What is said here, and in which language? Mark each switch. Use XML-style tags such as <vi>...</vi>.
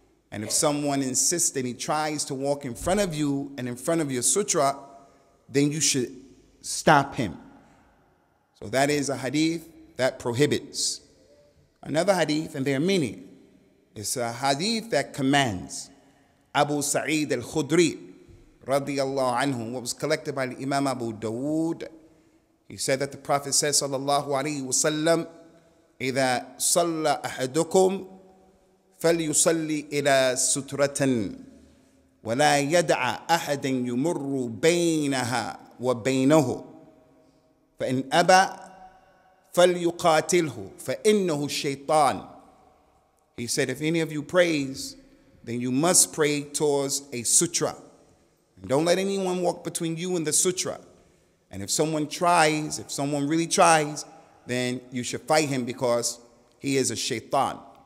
<en>And if someone insists and he tries to walk in front of you and in front of your sutra, then you should stop him. So that is a hadith that prohibits. Another hadith, and there are many, it's a hadith that commands Abu Sa'id al-Khudri, radiallahu anhu, what was collected by Imam Abu Dawood. He said that the Prophet says, sallallahu alayhi wa sallam,</en> <ar>إِذَا صَلَّ أَحَدُكُمْ فَلْيُصَلِّ إِلَى سُتْرَةً وَلَا يَدْعَ أَحَدًا يُمُرُّ بَيْنَهَا وَبَيْنَهُ فَإِنْ أَبَى فَلْيُقَاتِلْهُ فَإِنَّهُ الشَّيْطَانِ.</ar> <en>He said, if any of you prays, then you must pray towards a sutra. And don't let anyone walk between you and the sutra. And if someone tries, if someone really tries, then you should fight him because he is a shaitan.</en>